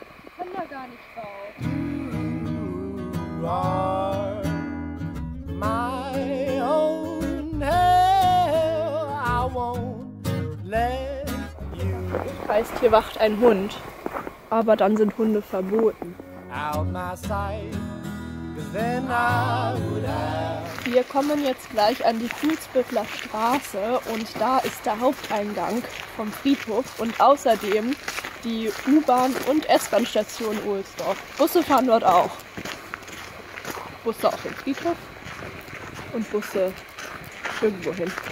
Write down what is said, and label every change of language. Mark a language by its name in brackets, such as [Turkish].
[German] Ich kann da gar nicht raus. [English] You are my own hell. I won't let you. [German] Ich weiß, hier wacht ein Hund. Aber dann sind Hunde verboten. [English] Out my sight, then I would have. [German] Wir kommen jetzt gleich an die Fußbüttler Straße und da ist der Haupteingang vom Friedhof und außerdem die U-Bahn- und S-Bahn-Station Ohlsdorf. Busse fahren dort auch. Busse auf den Friedhof und Busse irgendwo hin.